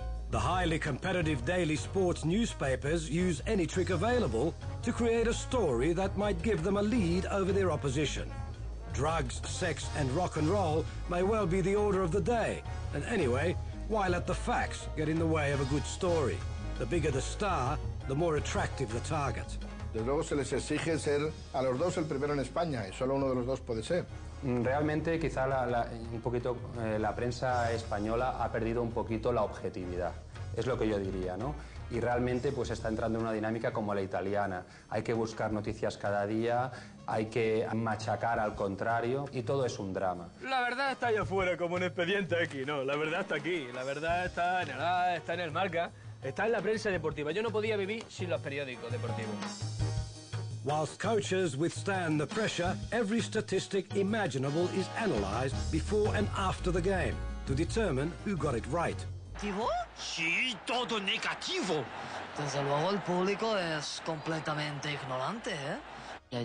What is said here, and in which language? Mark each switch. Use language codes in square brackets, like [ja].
[en] The highly competitive daily sports newspapers use any trick available to create a story that might give them a lead over their opposition. Drugs, sex, and rock and roll may well be the order of the day. And anyway, why let the facts get in the way of a good story? The bigger the star, the more attractive the target. [es] Desde luego se les exige ser a los dos el primero en España, y solo uno de los dos puede ser. Realmente, quizá la prensa española ha perdido un poquito la objetividad. Es lo que yo diría, ¿no? Y realmente, pues está entrando en una dinámica como la italiana. Hay que buscar noticias cada día, hay que machacar al contrario, y todo es un drama. La verdad está allá afuera, como un expediente X, ¿no? La verdad está aquí. La verdad está en el AS, está en el Marca, está en la prensa deportiva. Yo no podía vivir sin los periódicos deportivos. [en] Whilst coaches withstand the pressure, every statistic imaginable is analyzed before and after the game to determine who got it right. [es] Negativo? Sí, todo negativo. Desde luego el público es completamente ignorante, ¿eh?